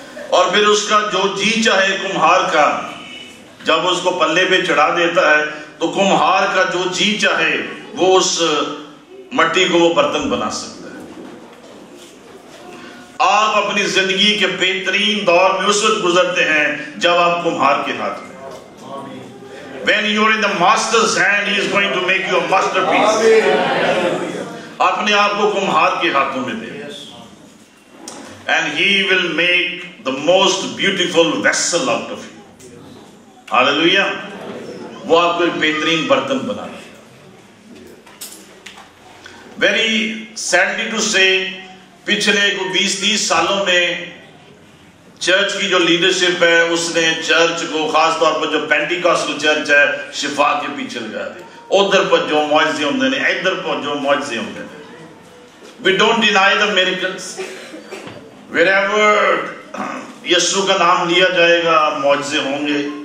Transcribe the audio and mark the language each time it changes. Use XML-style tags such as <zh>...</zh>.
<ur>اور پھر اس کا جو جی چاہے کمہار کا جب اس کو پلے پہ چڑھا دیتا ہے تو کمہار کا جو جی چاہے وہ اس مٹی کو وہ برتن بنا سکتا ہے آپ اپنی زندگی کے بہترین دور میں اس وقت گزرتے ہیں جب آپ کمہار کے ہاتھ میں</ur> <en>When you are in the master's hand, he is going to make you a masterpiece.</en> <ur>اپنے آپ کو کمہار کے ہاتھوں میں دے</ur> <en>And he will make the most beautiful vessel out of you. Hallelujah.</en> <ur>وہ آپ کو ایک بہترین برتن بنا رہے</ur> <en>Very sadly to say</en> <ur>پچھلے 20-30 سالوں میں چرچ کی جو لیڈرشپ ہے اس نے چرچ کو خاص طور پر جو پینٹیکاسٹل چرچ ہے شفا کے پیچھے لگا دی ادھر پر جو معجزے ہوتے ہیں ادھر پر جو معجزے ہوتے ہیں</ur> <en>We don't deny the miracles</en> <ur>Wherever یسوع کا نام لیا جائے گا معجزے ہوں گے</ur>